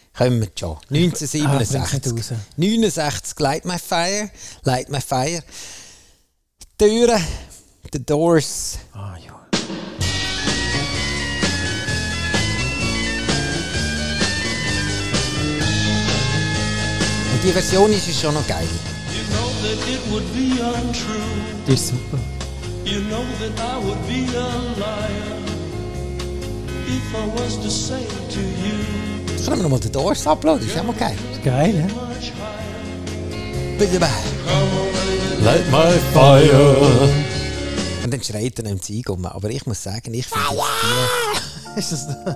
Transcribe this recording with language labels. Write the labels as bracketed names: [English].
[German] Kommen wir schon. 1967. 69, Light My Fire. Light My Fire. Türen. The Doors. Ah, ja. Und die Version ist schon noch geil. [English] You know that it would be untrue. [German] Die ist super. [English] You know that I would be a liar if I was to say it to you. [German] Ich kann mir nochmal den Doors uploaden, das ist ja mal geil. Geil, ja. Bitte mal. [English] Light my fire. [German] Und dann schreit er im Zeug um. Aber ich muss sagen, ich finde das hier... Ist das...